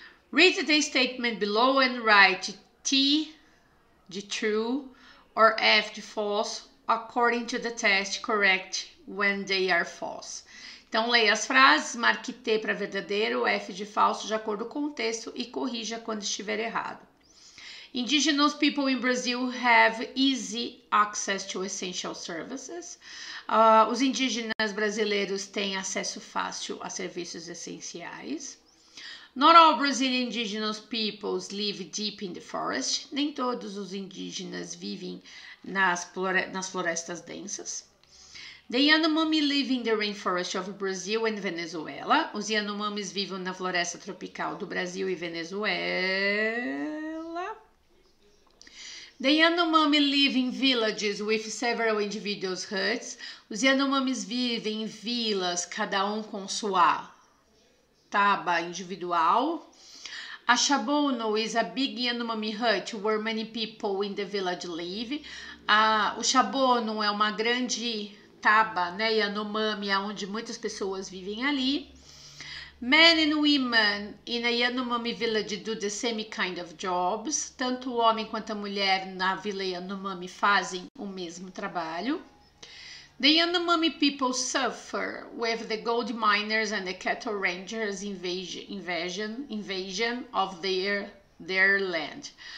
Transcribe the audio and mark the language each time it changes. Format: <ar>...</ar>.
<en>Read the statement below and write T de true or F de false according to the test correct when they are false.</en> <pt>Então leia as frases, marque T para verdadeiro, F de falso de acordo com o texto e corrija quando estiver errado.</pt> <en>Indigenous people in Brazil have easy access to essential services.</en> <pt>Os indígenas brasileiros têm acesso fácil a serviços essenciais.</pt> <en>Not all Brazilian indigenous peoples live deep in the forest.</en> <pt>Nem todos os indígenas vivem nas florestas densas.</pt> <en>The Yanomami live in the rainforest of Brazil and Venezuela.</en> <pt>Os Yanomamis vivem na floresta tropical do Brasil e Venezuela.</pt> <en>The Yanomami live in villages with several individuals' huts.</en> <pt>Os Yanomamis vivem em vilas, cada um com sua taba individual.</pt> <en>A Shabono is a big Yanomami hut where many people in the village live.</en> <pt>O Shabono é uma grande taba, né, Yanomami, onde muitas pessoas vivem ali.</pt> <en>Men and women in a Yanomami village do the same kind of jobs.</en> <pt>Tanto o homem quanto a mulher na vila Yanomami fazem o mesmo trabalho.</pt> <en>The Yanomami people suffer with the gold miners and the cattle rangers invasion of their land.</en>